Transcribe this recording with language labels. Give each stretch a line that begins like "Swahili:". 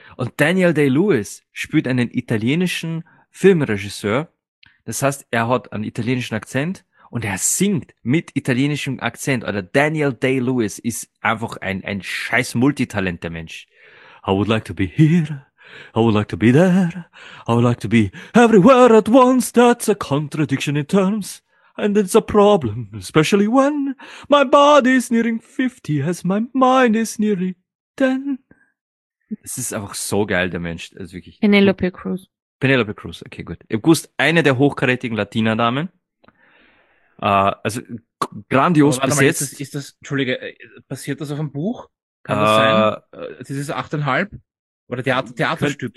German: Und Daniel Day-Lewis spielt einen italienischen Filmregisseur. Das heißt, er hat einen italienischen Akzent und er singt mit italienischem Akzent. Oder Daniel Day-Lewis ist einfach ein scheiß Multitalent der Mensch.
English: I would like to be here. I would like to be there. I would like to be everywhere at once. That's a contradiction in terms. And it's a problem, especially when my body is nearing 50 as my mind is nearly 10.
German: Es ist einfach so geil, der Mensch. Es ist wirklich gut. Penelope Cruz. Penelope Cruz, okay, gut. Ich wusste, eine der hochkarätigen Latina-Damen. Also Aber grandios warte mal, besetzt. ist das, entschuldige, basiert das auf einem Buch? Kann das sein? Dieses 8,5? Oder Theaterstück?